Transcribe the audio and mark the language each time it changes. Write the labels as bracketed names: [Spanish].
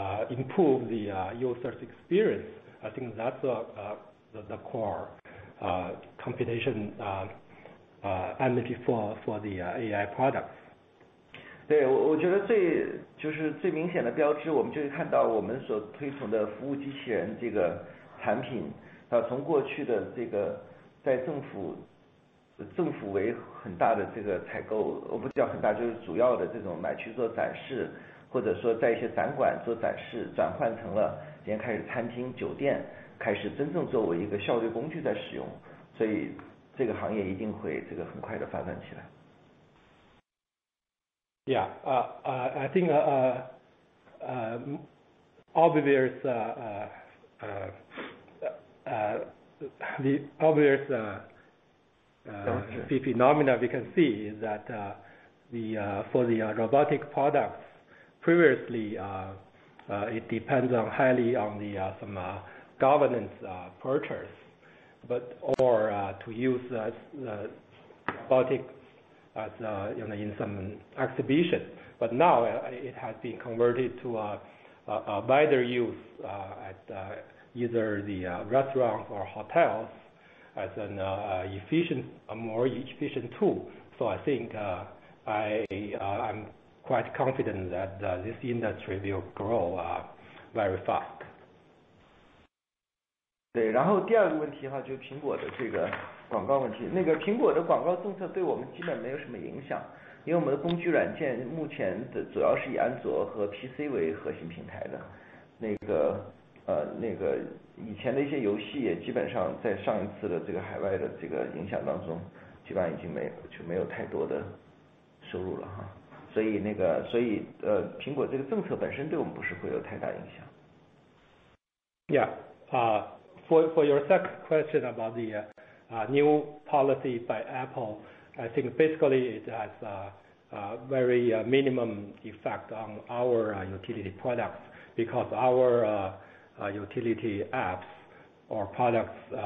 [English] improve the user's experience, I think that's the core computation energy for the AI products. [Chinese] 对，我觉得最明显的标志，我们就可以看到我们所推崇的服务机器人这个产品，从过去的这个在政府为很大的这个采购，我不叫很大，就是主要的这种买去做展示，或者说在一些展馆做展示，转换成了今天开始餐厅、酒店开始真正作为一个效率工具在使用，所以这个行业一定会这个很快的发展起来。 [English] Yeah, I think the phenomena we can see is that for the robotic products previously it depends on highly on the some governance purchase. But or to use the robotics as in some exhibition. But now it has been converted to a wider use at either the restaurants or hotels as an more efficient tool. So I think I'm quite confident that this industry will grow very fast. [Chinese] 对，然后第二个问题哈，就是苹果的这个广告问题。那个苹果的广告政策对我们基本没有什么影响，因为我们的工具软件目前的主要是以安卓和 PC 为核心平台的。那个以前的一些游戏也基本上在上一次的这个海外的这个影响当中，基本上已经没有太多的收入了哈。所以苹果这个政策本身对我们不是会有太大影响。 [English] Yeah, For your second question about the new policy by Apple, I think basically it has a very minimum effect on our utility products, because our utility apps or products